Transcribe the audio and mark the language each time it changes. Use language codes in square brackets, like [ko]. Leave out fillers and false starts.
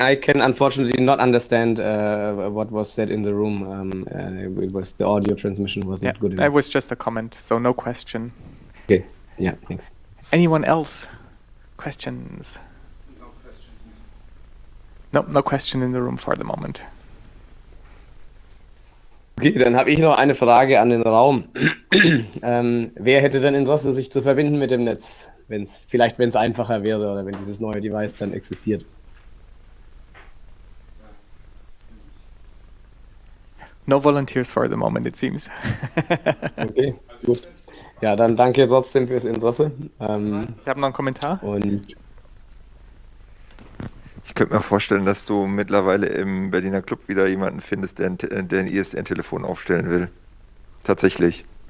[en] I can unfortunately not understand what was said in the room. It was the audio transmission was Yeah, not good that enough. was just a comment, so no question. Okay. Yeah, thanks. Anyone else? Questions? No question here. No, no question in the room for the moment. [de] Okay, dann habe ich noch eine Frage an den Raum. Wer hätte denn Interesse, sich zu verbinden mit dem Netz, wenn es einfacher wäre oder wenn dieses neue Device dann existiert? [en] No volunteers for the moment, it seems. [de] Okay, gut. Ja, dann danke trotzdem fürs Interesse. Ich habe noch einen Kommentar. Und Ich könnte mir vorstellen, dass du mittlerweile im Berliner Club wieder jemanden findest, der ein ISDN-Telefon aufstellen will. Tatsächlich.